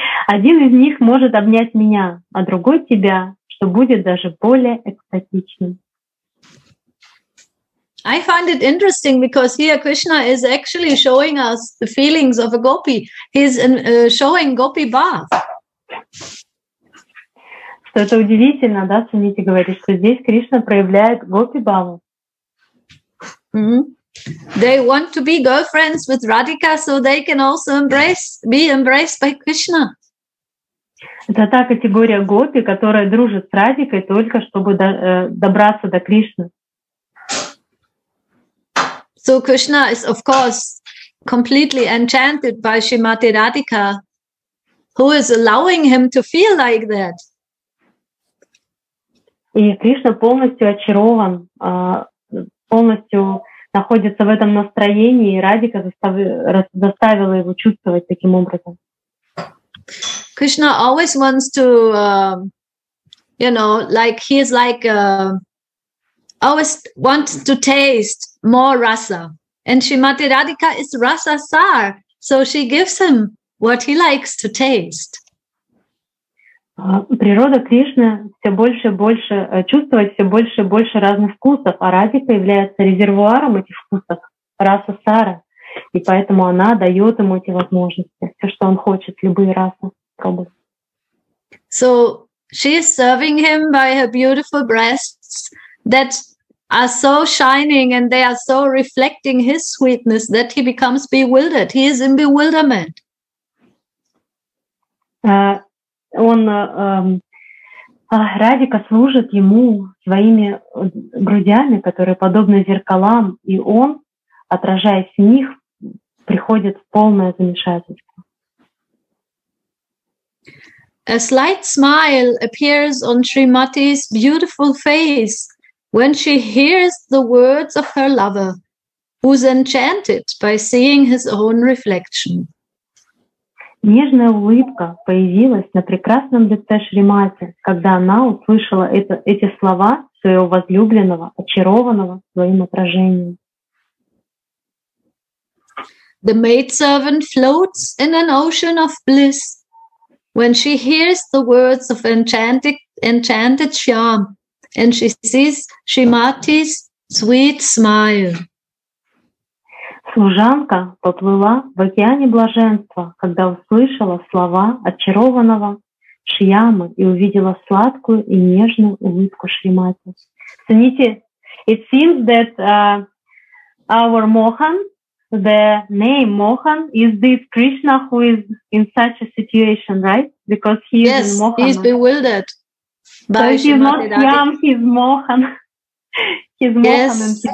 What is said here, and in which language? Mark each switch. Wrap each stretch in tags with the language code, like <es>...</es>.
<ru>Один из них может обнять меня, а другой — тебя, что будет даже более экстатичным.</ru> <en>I find it interesting because here Krishna is actually showing us the feelings of a gopi. He's showing gopi bath.</en> <ru>Что это удивительно, да, Суните говорит, что здесь Кришна проявляет гопи бхаву. Mm-hmm.</ru> <en>They want to be girlfriends with Radhika so they can also be embraced by Krishna.</en> <ru>Это та категория гопи, которая дружит с Радикой только чтобы добраться до Кришны.</ru> <en>So Krishna is of course completely enchanted by Srimati Radhika, who is allowing him to feel like that.</en> <ru>И Кришна полностью очарован, полностью находится в этом настроении, и Радика заставила его чувствовать таким образом.</ru> <en>Krishna always wants to, you know, like he is like always wants to taste more rasa. And Srimati Radhika is rasa sar, so she gives him what he likes to taste.</en> <ru>Природа Кришны все больше и больше чувствует все больше и больше разных вкусов, а Радика является резервуаром этих вкусов, раса сара, и поэтому она дает ему эти возможности, все, что он хочет, любые расы пробовать.</ru> <en>So she is serving him by her beautiful breasts that are so shining and they are so reflecting his sweetness that he becomes bewildered. He is in bewilderment.</en> <ru>Он Радика служит ему своими грудями, которые подобны зеркалам, и он, отражаясь в них, приходит в полное замешательство.</ru> <en>A slight smile appears on Srimati's beautiful face when she hears the words of her lover, who's enchanted by seeing his own reflection.</en> <ru>Нежная улыбка появилась на прекрасном лице Шримати, когда она услышала эти слова своего возлюбленного, очарованного своим отражением.</ru> <en>The maidservant floats in an ocean of bliss when she hears the words of enchanted Shyam and she sees Shrimati's sweet smile.</en> <ru>Служанка поплыла в океане блаженства, когда услышала слова очарованного Шьямы и увидела сладкую и нежную улыбку Шримати. Смотрите,</ru> <en>it seems that our Mohan, the name Mohan, is this Krishna who is in such a situation, right? Because he is yes, in Mohan. Yes, he is bewildered. But so he's not Shyam, he's Mohan. He's yes.</en>